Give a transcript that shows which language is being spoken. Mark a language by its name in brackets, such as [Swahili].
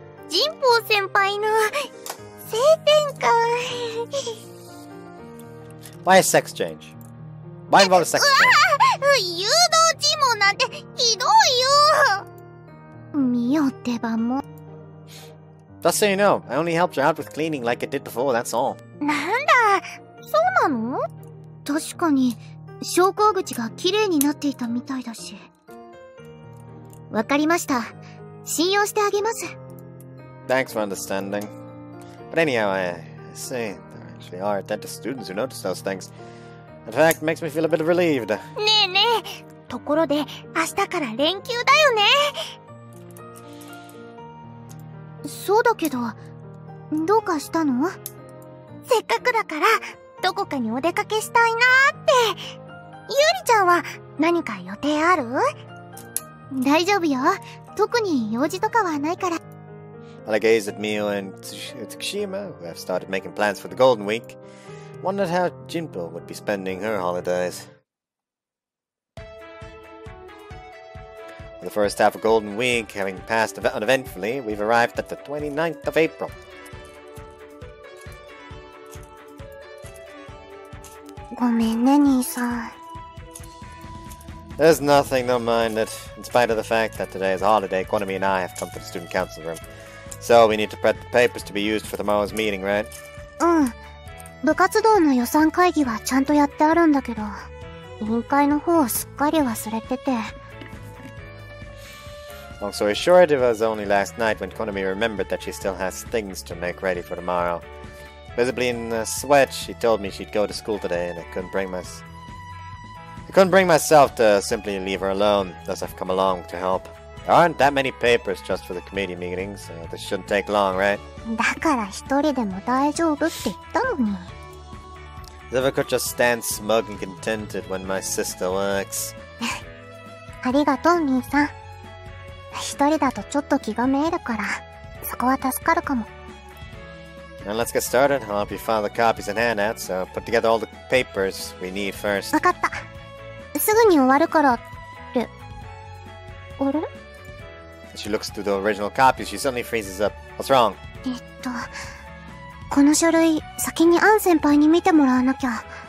[Japanese] Jinpō-senpai の性転換. [English] Why a sex change? Why involve a sex change? [Japanese] 誘導尋問なんてひどいよ! Mio-teban-mo. [English] Just so you know, I only helped you out with cleaning like I did before, that's all. [Japanese] Nanda? そうなの? 確かに、昇降口が綺麗になっていたみたいだし。 [English] Thanks for understanding. But anyhow, I see. actually are attentive students who notice those things. In fact, makes me feel a bit relieved. [Japanese] ねえねえ、ところで明日から連休だよね。そうだけど、どうかしたの？せっかくだから、どこかにお出かけしたいなって。ゆりちゃんは何か予定ある？大丈夫よ。特に用事とかはないから。 [English] Well, I gaze at Mio and Tsukishima, who have started making plans for the Golden Week. Wondered how Jinpo would be spending her holidays. With the first half of Golden Week having passed uneventfully, we've arrived at the 29th of April. [Japanese] ごめんね、兄さん。 [English] There's nothing, don't mind it. In spite of the fact that today is a holiday, Konami and I have come to the student council room. So, we need to prep the papers to be used for tomorrow's meeting, right? [Japanese] うん。部活動の予算会議はちゃんとやってあるんだけど、委員会の方をすっかり忘れてて。 [English] Long story short, it was only last night when Konami remembered that she still has things to make ready for tomorrow. Visibly in a sweat, she told me she'd go to school today and I couldn't bring myself to simply leave her alone, thus I've come along to help. There aren't that many papers just for the committee meeting, so this shouldn't take long, right? [Japanese] だから一人でも大丈夫って言ったのに。 [English] As if I could just stand smug and contented when my sister works. [Japanese] ありがとう、兄さん。一人だとちょっと気が滅入るから、そこは助かるかも。 [English] And let's get started. I'll help you file the copies and handouts, so put together all the papers we need first. [Japanese] わかった。すぐに終わるからって。あれ？ [English] She looks through the original copy, she suddenly freezes up. What's wrong? [Japanese] この書類、先にアン先輩に見てもらわなきゃ。